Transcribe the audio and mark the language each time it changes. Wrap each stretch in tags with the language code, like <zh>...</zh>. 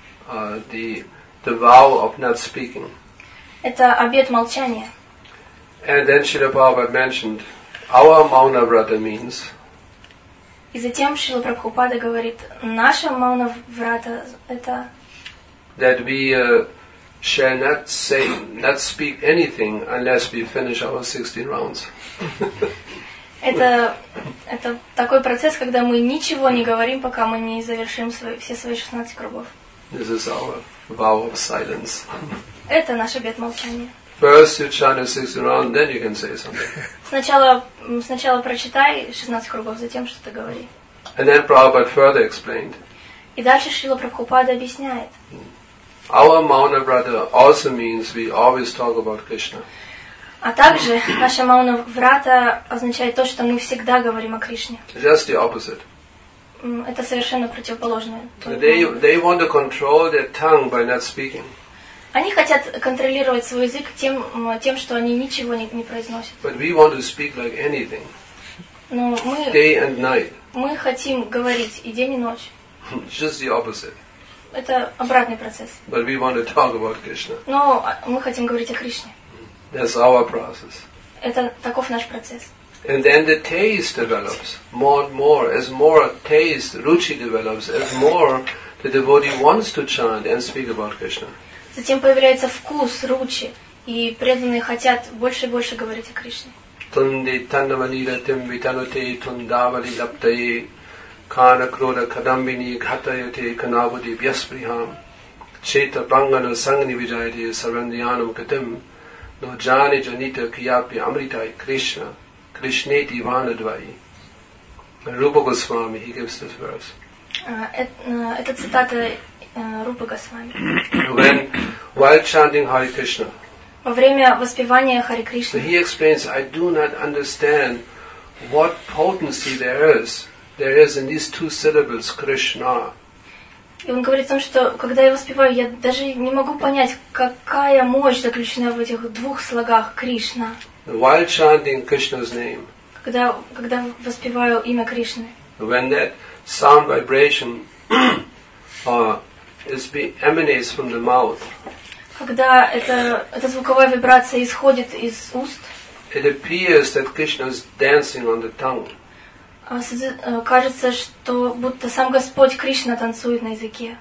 <en>The vow of not speaking.</en> <ru>Это обет молчания.</ru> <en>And then Srila Prabhupada mentioned our Mauna Vrata means.</en> <ru>И затем Шрила Прабхупада говорит, наша Мауна Врата это.</ru> <en>That we shall not say, not speak anything unless we finish our 16 rounds.</en> <ru>Это такой процесс, когда мы ничего не говорим, пока мы не завершим все свои 16 кругов.</ru> <en>This is our vow of silence.</en> <ru>Это наш обет молчания.</ru> <en>First you chant the 16 rounds, then you can say something.</en> <ru>Сначала прочитай 16 кругов, затем что-то говори.</ru> <en>And then Prabhupada further explained.</en> <ru>И дальше Шрила Прабхупада объясняет.</ru> <en>Our Mauna Vrata also means we always talk about Krishna.</en> <ru>А также наша Мауна Врата означает то, что мы всегда говорим о Кришне.</ru> <en>Just the opposite.</en> <ru>Это совершенно противоположное.</ru> <en>They want to control their tongue by not speaking.</en> <ru>Они хотят контролировать свой язык тем, что они ничего не произносят.</ru> <en>But we want to speak like anything.</en> <ru>Но мы,</ru> <en>day and night.</en> <ru>Мы хотим говорить и день, и ночь.</ru> <en>Just the opposite.</en> <ru>Это обратный процесс.</ru> <en>But we want to talk about Krishna.</en> <ru>Но мы хотим говорить о Кришне.</ru> <en>That's our process.</en> <ru>Это таков наш процесс.</ru> <en>And then the taste develops more and more. As more taste, ruchi develops, as more the devotee wants to chant and speak about Krishna.</en> <ru>Затем появляется вкус, ручи, и преданные хотят больше и больше говорить о Кришне.</ru> <sa>Тунди тандавалила тимвитануте тундавали лаптае кана крода кадамбини гхатайоте канавуди бьясприхам чета пангана сангни виджайте сарандиянам катим но джани джанита кьяпи амритай кришна кришнети ванадвай.</sa> <en>Рупа Госвами, he gives this verse.</en> <ru>Это цитата Рупа Госвами.</ru> <en>When, while chanting Hare Krishna.</en> <ru>Во время воспевания Харе Кришны.</ru> <en>So he explains, I do not understand what potency there is in these two syllables, Krishna.</en> <ru>И он говорит о том, что когда я воспеваю, я даже не могу понять, какая мощь заключена в этих двух слогах Кришна.</ru> <en>While chanting Krishna's name.</en> <ru>Когда воспеваю имя Кришны.</ru> <en>When that sound vibration emanates from the mouth.</en> <ru>Когда эта звуковая вибрация исходит из уст.</ru> <en>It appears that Krishna is dancing on the tongue.</en> <ru>Кажется, что будто сам Господь Кришна танцует на языке.</ru>